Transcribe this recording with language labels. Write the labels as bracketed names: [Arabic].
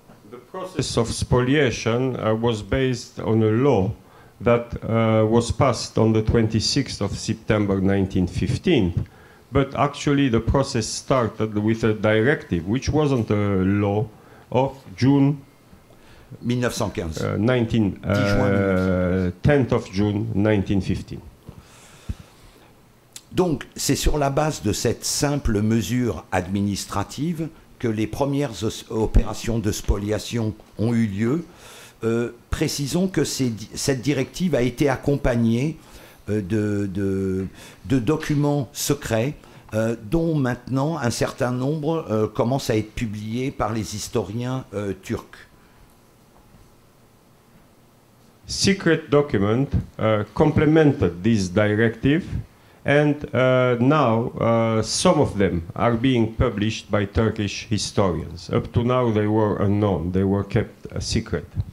[English] The process of spoliation was based on a law that was passed on the 26th of September 1915. But actually the process started with a directive, which wasn't a law, of June 10th, 1915. [French] Donc, c'est sur la base de cette simple mesure administrative que les premières opérations de spoliation ont eu lieu. Précisons que cette directive a été accompagnée de documents secrets, dont maintenant un certain nombre commence à être publié par les historiens turcs. [English] Secret document complemented this directive, and now some of them are being published by Turkish historians. Up to now they were unknown, they were kept a secret.